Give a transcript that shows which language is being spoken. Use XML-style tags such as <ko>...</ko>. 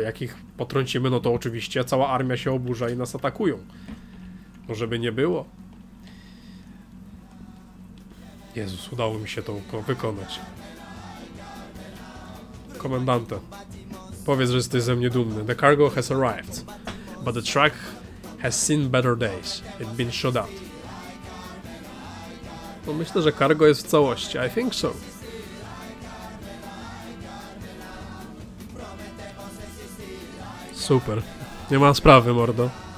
<pl>Jak ich potrącimy, no to oczywiście cała armia się oburza i nas atakują. Może by nie było. Jezus, udało mi się to wykonać. Komendante, powiedz, że jesteś ze mnie dumny.</pl> <en>The cargo has arrived, but the truck has seen better days. It's been shot out.</en> <pl>No myślę, że cargo jest w całości.</pl> <en>I think so.</en> <pl>Super. Nie ma sprawy, mordo.</pl>